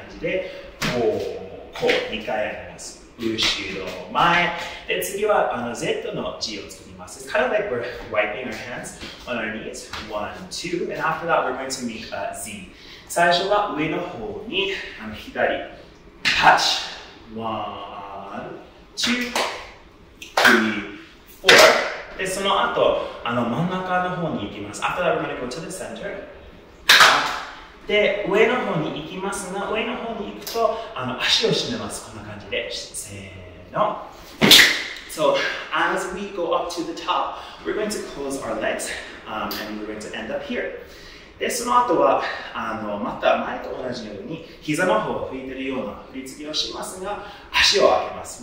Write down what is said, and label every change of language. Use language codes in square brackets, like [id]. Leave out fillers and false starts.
[ja] で、こう、こう、2回やります。後ろ、前。で、次は、Z の G を作ります。 [en] It's kind of like we're wiping our hands on our knees. One, two. And after that, we're going to make a Z. [ja] 最初は上の方に、左。パッチ。 [en] One, two, three, four. [ja] で、その後、真ん中の方に行きます。 [en] After that, we're going to go to the center. [ja] で、上の方に行きますが、上の方に行くと足を締めます。こんな感じで。せーの。 [en] So, as we go up to the top, we're going to close our legs, and we're going to end up here. [ja] で、その後はまた前と同じように膝の方を拭いているような振り付けをしますが、足を上げます。